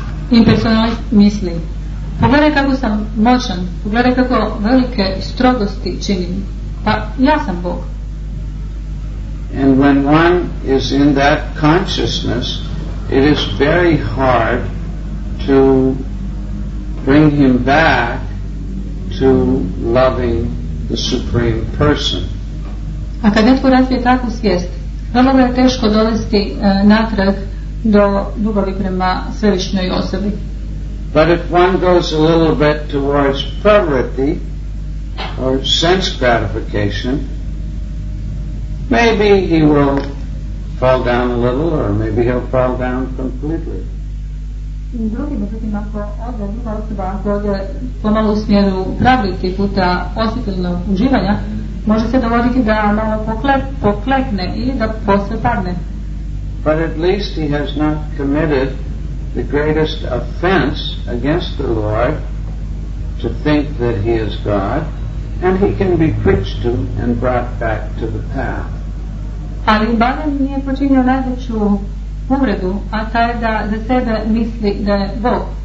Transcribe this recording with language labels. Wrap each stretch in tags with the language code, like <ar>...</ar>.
<hr>Impersonalist misli, pogledaj kako sam moćan, pogledaj kako velike strogosti činim, pa ja sam Bog.</hr> <en>And when one is in that consciousness, it is very hard to bring him back to loving the Supreme Person.</en> <hr>A kad netko razvije takvu svijest, vrlo ga je teško dovesti natrag do ljubavi prema svevišnjoj osobi.</hr> <en>But if one goes a little bit towards pravritti or sense gratification, maybe he will fall down a little, or maybe he'll fall down completely.</en> <hr>Drugi, međutim, ako ode druga osoba, ako ode pomalo u smjeru pravriti puta osjetilnog uživanja, može se dovoditi da malo poklekne i da posve padne.</hr> <en>But at least he has not committed the greatest offense against the Lord to think that he is God, and he can be preached to and brought back to the path.</en> <hr>Ali barem nije počinio najveću uvredu, a ta je da za sebe misli da je Bog.</hr>